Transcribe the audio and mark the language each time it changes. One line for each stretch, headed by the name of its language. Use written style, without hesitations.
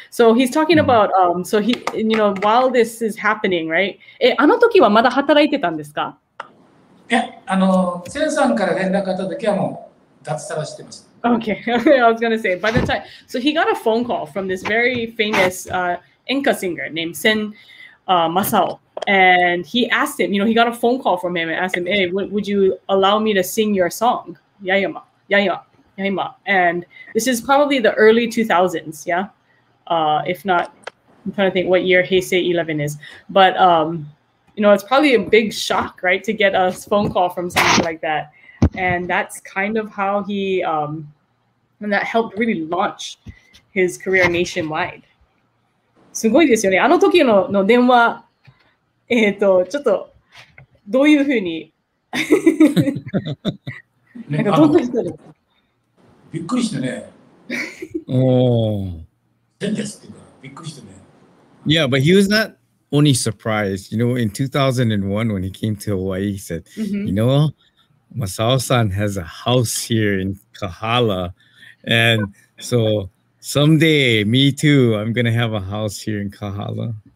English: So he's talking about, so he, you know, while this is happening, right?
Japanese: え、あの時はまだ働いてたんですか？いや、あの、センさんから連絡あった時はもう脱サラしてます。
English: Okay, I was gonna say, by the time, so he got a phone call from this very famous enka singer named Sen Masao. And he asked him, you know, he got a phone call from him and asked him, hey, would you allow me to sing your song? Yayama, Yayama, Yayama. And this is probably the early 2000s, yeah? If not, I'm trying to think what year Heisei 11 is. But, you know, it's probably a big shock, right, to get a phone call from someone like that. And that's kind of how he, and that helped really launch his career nationwide.
Japanese: すごいですよね。あの時の、の電話。ちょっとどういうふうに、ね、なんかどんな人ですか？びっくりしてね。おお。センですっていうか、びっくりしてね。
English: Yeah, but he was not only surprised. You know, in 2001 when he came to Hawaii, he said,、mm-hmm. you know, Masao-san has a house here in Kahala. And so someday, me too, I'm going to have a house here in Kahala.